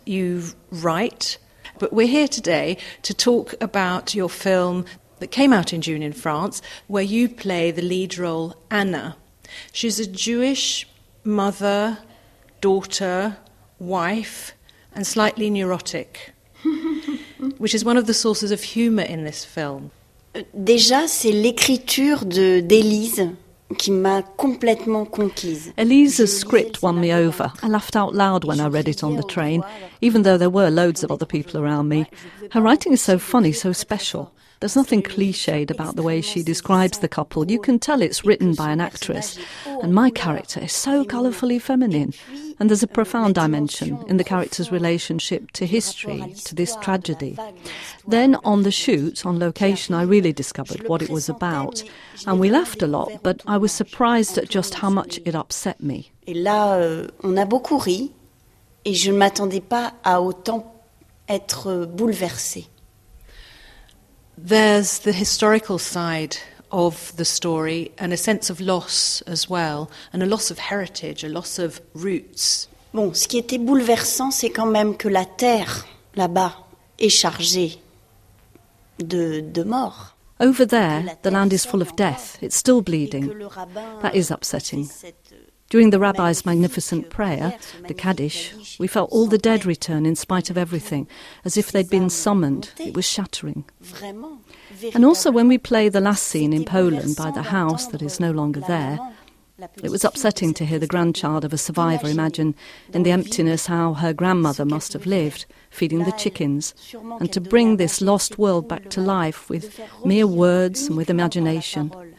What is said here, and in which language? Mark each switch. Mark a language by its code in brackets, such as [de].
[en] You write. But we're here today to talk about your film that came out in June in France, where you play the lead role, Anna. She's a Jewish mother, daughter, wife, and slightly neurotic, which is one of the sources of humour in this film. [fr] Déjà, c'est l'écriture d'Élise qui m'a complètement conquise. [en] Élise's script won me over. I laughed out loud when I read it on the train, even though there were loads of other people around me. Her writing is so funny, so special. There's nothing clichéd about the way she describes the couple. You can tell it's written by an actress. And my character is so colourfully feminine. And there's a profound dimension in the character's relationship to history, to this tragedy. Then on the shoot, on location, I really discovered what it was about. And we laughed a lot, but I was surprised at just how much it upset me. [fr] Et là, on a beaucoup ri, et je ne m'attendais pas à autant être bouleversée. [en] There's the historical side of the story and a sense of loss as well, and a loss of heritage, a loss of roots. [fr] Bon, ce qui était bouleversant, c'est quand même que la terre là-bas est chargée de mort. [en] Over there, the land is full of death. It's still bleeding. That is upsetting. During the rabbi's magnificent prayer, the Kaddish, we felt all the dead return in spite of everything, as if they'd been summoned. It was shattering. And also when we play the last scene in Poland by the house that is no longer there, it was upsetting to hear the grandchild of a survivor imagine in the emptiness how her grandmother must have lived, feeding the chickens, and to bring this lost world back to life with mere words and with imagination.